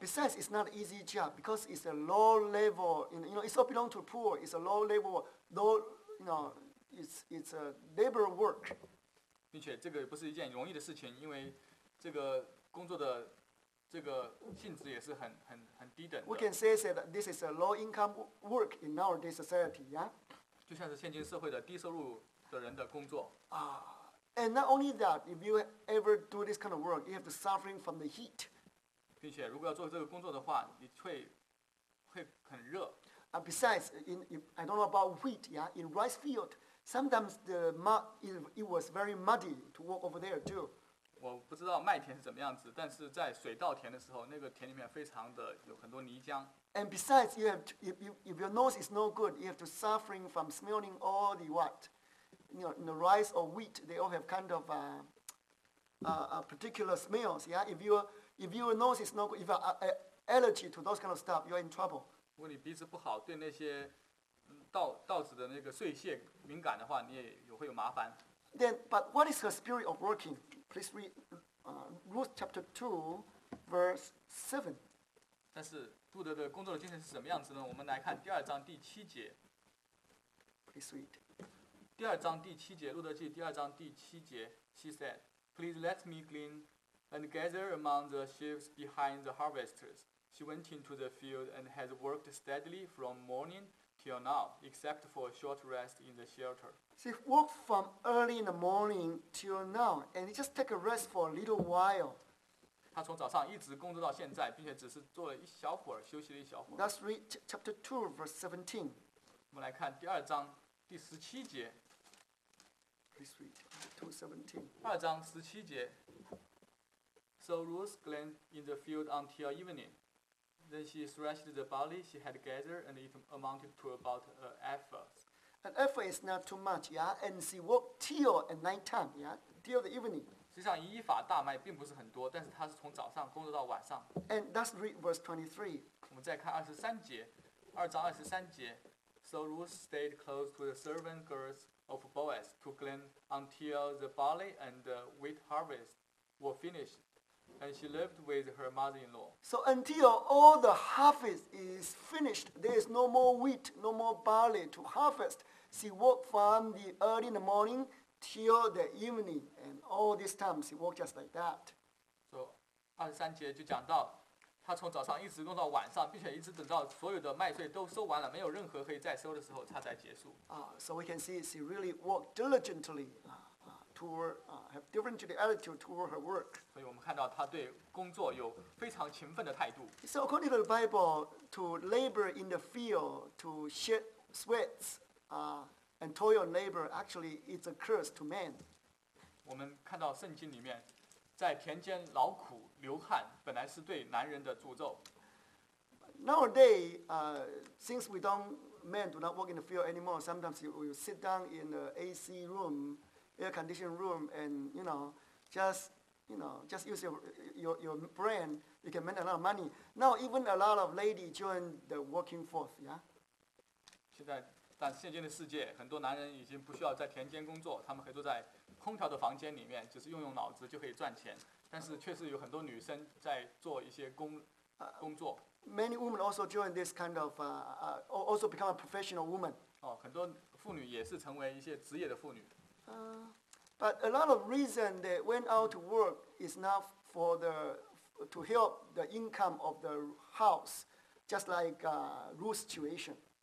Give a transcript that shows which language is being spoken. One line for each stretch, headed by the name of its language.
English: Besides, it's not an easy job because it's a low level. You know, it's all belong to the poor. It's a low level, it's a labor work.
Chinese: 并且这个不是一件容易的事情，因为这个工作的这个性质也是很低等的。
English: We can say that this is a low income work in nowadays society, yeah?
Chinese: 就像是现今社会的低收入的人的工作。
English: And not only that, if you ever do this kind of work, you have to suffer from the heat.
Chinese: 并且如果要做这个工作的话，你会很热。
English: Besides, I don't know about wheat, yeah. In rice field, sometimes the mud it was very muddy to walk over there too.
Chinese: 我不知道麦田是怎么样子，但是在水稻田的时候，那个田里面非常的有很多泥浆。
English: And besides, you have to, if your nose is no good, you have to suffering from smelling all the what, you know, the rice or wheat. They all have kind of particular smells. Yeah, if your nose is no good, if you're allergy to those kind of stuff, you're in trouble.
Chinese: 如果你鼻子不好，对那些稻子的那个碎屑敏感的话，你也会有麻烦。
English: Then, but what is her spirit of working? Please read Ruth chapter 2, verse 7.
Chinese: 但是杜德的工作的精神是什么样子呢？我们来看第二章第七节。
English: Please read.
Chinese: 第二章第七节，路德记第二章第七节
English: ，She said, "Please let me glean and gather among the sheaves behind the harvesters." She went into the field and had worked steadily from morning till now, except for a short rest in the shelter. She worked from early in the morning till now, and just take a rest for a little while.
Chinese: 他从早上一直工作到现在，并且只是做了一小会儿，休息了一小会儿。
English: Let's read chapter 2, verse 17.
Chinese: 我们来看第二章第十七节。
English: Please read chapter 2, 17.
Chinese: 二章十七节。
English: So Ruth gleaned in the field until evening. Then she threshed the barley she had gathered, and it amounted to about an ephah. An ephah is not too much, yeah? And she worked till at night time, yeah? Till the evening.
Chinese: 实际上，一法大麦并不是很多，但是他是从早上工作到晚上。
English: And let's read verse 23.
Chinese: 我们再看二十三节，二章二十三节。
English: So Ruth stayed close to the servant girls of Boaz to glean until the barley and the wheat harvest were finished, and she lived with her mother-in-law. So until all the harvest is finished, there is no more wheat, no more barley to harvest. She worked from the early in the morning. Till the evening, and all these times he worked just like that.
Chinese: So, 二十三节就讲到，他从早上一直弄到晚上，并且一直等到所有的麦穗都收完了，没有任何可以再收的时候，他才结束。
English: So we can see she really worked diligently, have differently attitude toward her work.
Chinese: 所以我们看到他对工作有非常勤奋的态度。
English: So according to the Bible, to labor in the field, to shed sweats, And toil and labor actually is a curse to man.
Chinese: 我们看到圣经里面，在田间劳苦流汗本来是对男人的诅咒。
English: Nowadays, since men do not work in the field anymore, sometimes you will sit down in the AC room, air conditioned room, and just use your brain, you can make a lot of money. Now even a lot of ladies join the working force, yeah.
Chinese: 现在。但现今的世界，很多男人已经不需要在田间工作，他们可以坐在空调的房间里面，就是用用脑子就可以赚钱。但是确实有很多女生在做一些工作。
English: Many women also join this kind of also become a professional woman.
Chinese: 哦，很多妇女也是成为一些职业的妇女。
English: But a lot of reason they went out to work is not for the to help the income of the house, just like Ruth's situation.